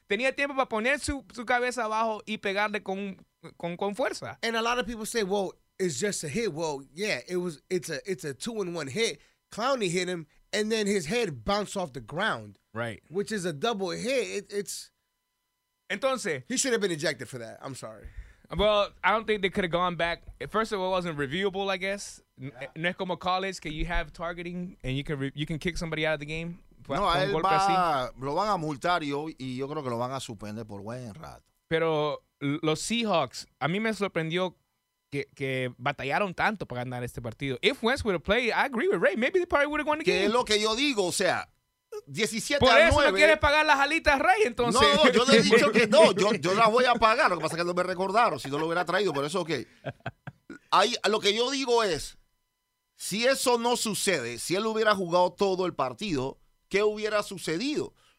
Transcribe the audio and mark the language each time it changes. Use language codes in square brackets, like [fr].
[es] Tenía tiempo para poner su cabeza abajo y pegarle con fuerza. [en] And a lot of people say, well, it's just a hit. Well, yeah, it's a 2-in-1 hit. Clowney hit him, and then his head bounced off the ground. Right. Which is a double hit. It's... [es] Entonces... [en] He should have been ejected for that. I'm sorry. Well, I don't think they could have gone back. First of all, it wasn't reviewable, I guess. Yeah. [es] No es como college, que [en] you have targeting and you can kick somebody out of the game. [es] No, a él va, lo van a multar y yo creo que lo van a suspender por buen rato. Pero los Seahawks, a mí me sorprendió que batallaron tanto para ganar este partido. [en] If Wentz would have played, I agree with Ray. Maybe they probably would have won the game. [es] Que es lo que yo digo, o sea, 17-9. Por eso no quieres pagar las alitas, Ray, entonces. No, yo le he dicho que no, yo las voy a pagar. Lo que pasa es que no me recordaron, si no lo hubiera traído, pero eso es okay. Lo que yo digo es, si eso no sucede, si él hubiera jugado todo el partido, ¿qué hubiera sucedido?